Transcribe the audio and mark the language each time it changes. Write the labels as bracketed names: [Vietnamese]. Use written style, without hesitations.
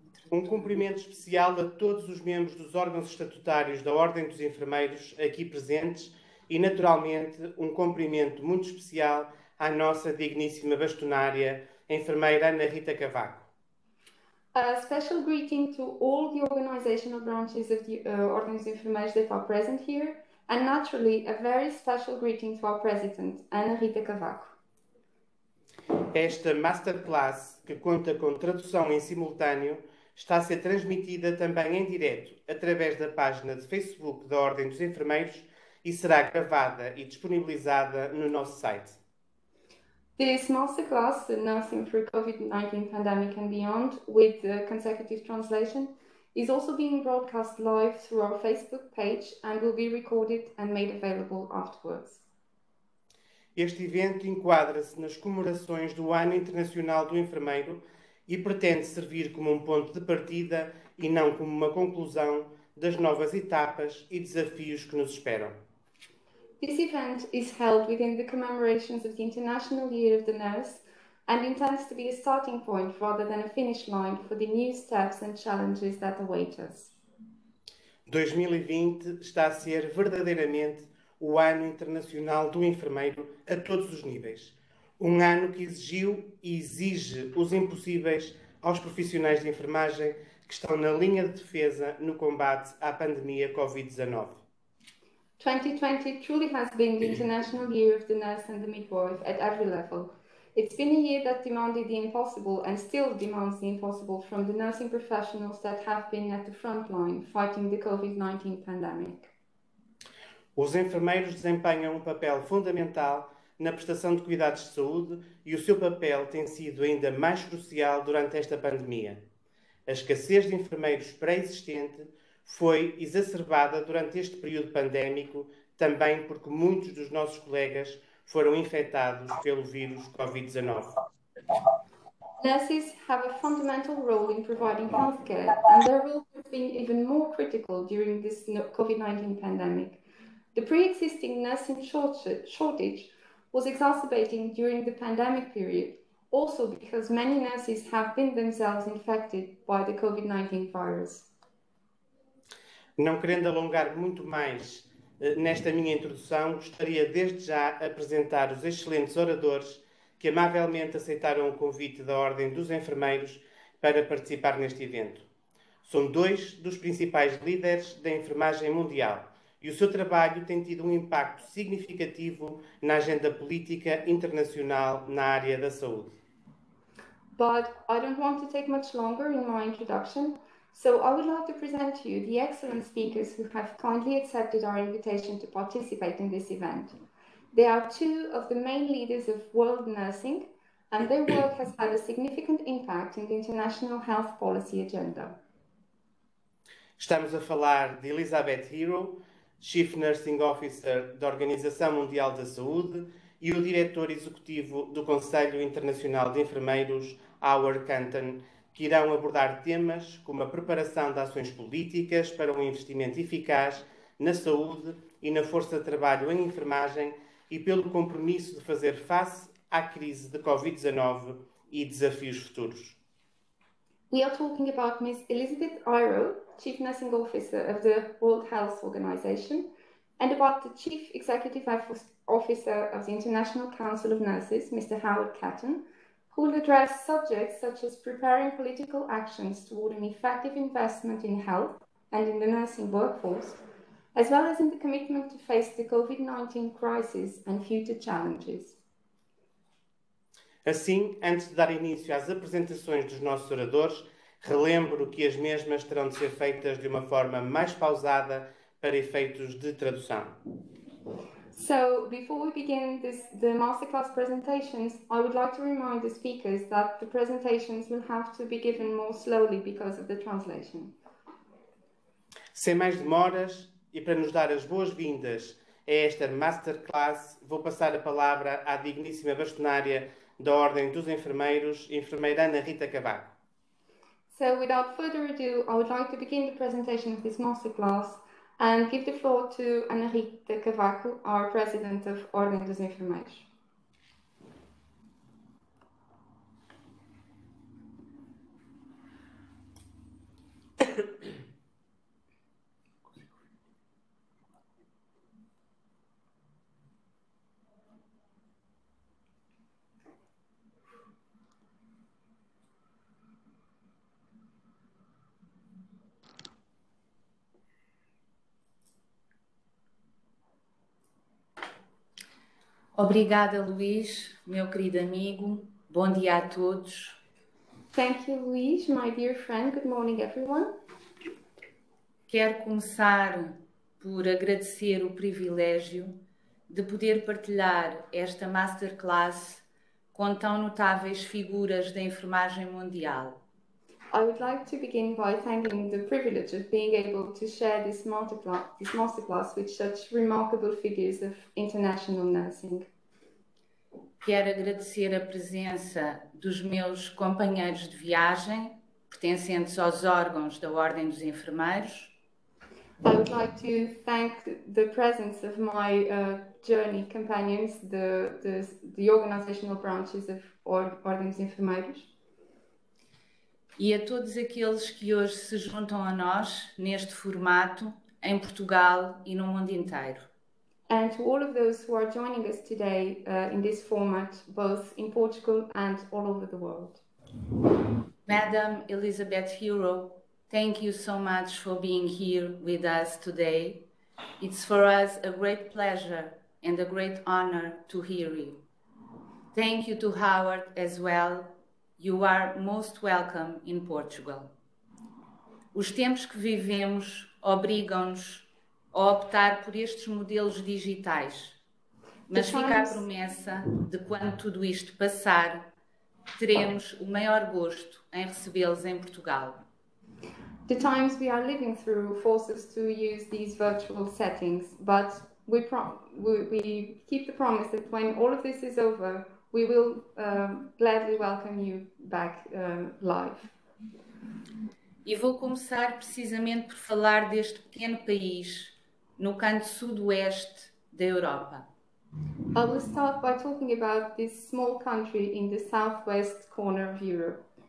[Portuguese] Um cumprimento especial a todos os membros dos órgãos estatutários da Ordem dos Enfermeiros aqui presentes e, naturalmente, um cumprimento muito especial à nossa digníssima bastonária, enfermeira Ana Rita Cavaco. [English] A special greeting to all the organizational branches of the Ordem dos Enfermeiros that are present here, and naturally a very special greeting to our president, Ana Rita Cavaco. [Portuguese] Esta masterclass, que conta com tradução em simultâneo, está a ser transmitida também em direto através da página de Facebook da Ordem dos Enfermeiros e será gravada e disponibilizada no nosso site. [English] This masterclass, the Nursing Through COVID-19 Pandemic and Beyond, with the consecutive translation, is also being broadcast live through our Facebook page and will be recorded and made available afterwards. [Portuguese] Este evento enquadra-se nas comemorações do Ano Internacional do Enfermeiro e pretende servir como um ponto de partida e não como uma conclusão das novas etapas e desafios que nos esperam. [English] This event is held within the commemorations of the International Year of the Nurse and intends to be a starting point rather than a finish line for the new steps and challenges that await us. [Portuguese] 2020 está a ser verdadeiramente o Ano Internacional do Enfermeiro a todos os níveis. Um ano que exigiu e exige os impossíveis aos profissionais de enfermagem que estão na linha de defesa no combate à pandemia Covid-19. [English] 2020 truly has been the International Year of the Nurse and the Midwife at every level. It's been a year that demanded the impossible and still demands the impossible from the nursing professionals that have been at the front line fighting the COVID-19 pandemic. [Portuguese] Os enfermeiros desempenham um papel fundamental na prestação de cuidados de saúde e o seu papel tem sido ainda mais crucial durante esta pandemia. A escassez de enfermeiros pré-existente foi exacerbada durante este período pandémico, também porque muitos dos nossos colegas foram infectados pelo vírus Covid-19. [English] Nurses have a fundamental role in providing healthcare, and their role has been even more critical during this COVID-19 pandemic. The pre-existing nursing shortage was exacerbating during the pandemic period, also because many nurses have been themselves infected by the COVID-19 virus. [Portuguese] Não querendo alongar muito mais nesta minha introdução, gostaria desde já apresentar os excelentes oradores que amavelmente aceitaram o convite da Ordem dos Enfermeiros para participar neste evento. São dois dos principais líderes da enfermagem mundial e o seu trabalho tem tido um impacto significativo na agenda política internacional na área da saúde. [English] But I don't want to take much longer in my introduction, so I would like to present to you the excellent speakers who have kindly accepted our invitation to participate in this event. They are two of the main leaders of world nursing, and their work has had a significant impact in the international health policy agenda. [Portuguese] Estamos a falar de Elizabeth Hero, Chief Nursing Officer da Organização Mundial da Saúde e o Diretor Executivo do Conselho Internacional de Enfermeiros, Howard Canton, que irão abordar temas como a preparação de ações políticas para um investimento eficaz na saúde e na força de trabalho em enfermagem e pelo compromisso de fazer face à crise de Covid-19 e desafios futuros. [English] We are talking about Ms. Elizabeth Hero, Chief Nursing Officer of the World Health Organization, and about the Chief Executive Officer of the International Council of Nurses, Mr. Howard Catton, who will address subjects such as preparing political actions toward an effective investment in health and in the nursing workforce, as well as in the commitment to face the COVID-19 crisis and future challenges. [Portuguese] Assim, antes de dar início às apresentações dos nossos oradores, relembro que as mesmas terão de ser feitas de uma forma mais pausada para efeitos de tradução. [English] So, before we begin this, the masterclass presentations, I would like to remind the speakers that the presentations will have to be given more slowly because of the translation. [Portuguese] Sem mais demoras, e para nos dar as boas-vindas a esta masterclass, vou passar a palavra à digníssima bastonária da Ordem dos Enfermeiros, enfermeira Ana Rita Cavaco. [English] So, without further ado, I would like to begin the presentation of this masterclass and give the floor to Ana Rita Cavaco, our President of Ordem dos Enfermeiros. [Portuguese] Obrigada, Luís, meu querido amigo. Bom dia a todos. [English] Thank you, Luís, my dear friend. Good morning, everyone. [Portuguese] Quero começar por agradecer o privilégio de poder partilhar esta masterclass com tão notáveis figuras da enfermagem mundial. [English] I would like to begin by thanking the privilege of being able to share this masterclass with such remarkable figures of international nursing. [Portuguese] Quero agradecer a presença dos meus companheiros de viagem, pertencentes aos órgãos da Ordem dos Enfermeiros. [English] I would like to thank the presence of my journey companions, the organizational branches of Ordem dos Enfermeiros. [Portuguese] E a todos aqueles que hoje se juntam a nós neste formato em Portugal e no mundo inteiro. [English] And to all of those who are joining us today in this format, both in Portugal and all over the world. Madam Elizabeth Hero, thank you so much for being here with us today. It's for us a great pleasure and a great honor to hear you. Thank you to Howard as well. You are most welcome in Portugal. [Portuguese] Os tempos que vivemos obrigam-nos a optar por estes modelos digitais. Mas fica a promessa de quando tudo isto passar, teremos o maior gosto em recebê-los em Portugal. [English] The times we are living through force us to use these virtual settings, but we keep the promise that when all of this is over, we will gladly welcome you back live. [Portuguese] E vou começar precisamente por falar deste pequeno país no canto sudoeste da Europa. [English] I will start by talking about this small country in the southwest corner of Europe.